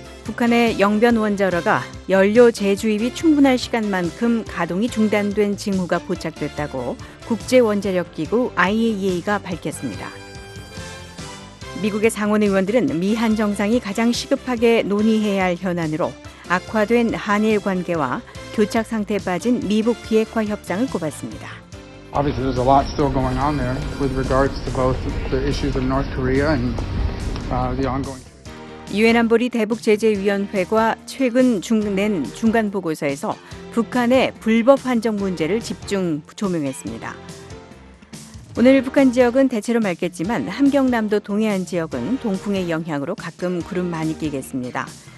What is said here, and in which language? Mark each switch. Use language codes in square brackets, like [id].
[ko] 북한의 영변 원자로가 연료 재주입이 충분할 시간만큼 가동이 중단된 징후가 포착됐다고 국제원자력기구 IAEA가 밝혔습니다. 미국의 상원 의원들은 미한 정상이 가장 시급하게 논의해야 할 현안으로 악화된 한일 관계와 교착 상태에 빠진 미북 비핵화 협상을 꼽았습니다. [en] Obviously, there's a lot still going on there with regards to both the issues of North Korea and the ongoing. [ko] 유엔 안보리 대북 제재 위원회가 최근 낸 중간 보고서에서 북한의 불법 환적 문제를 집중 조명했습니다. 오늘 북한 지역은 대체로 맑겠지만 함경남도 동해안 지역은 동풍의 영향으로 가끔 구름 많이 끼겠습니다.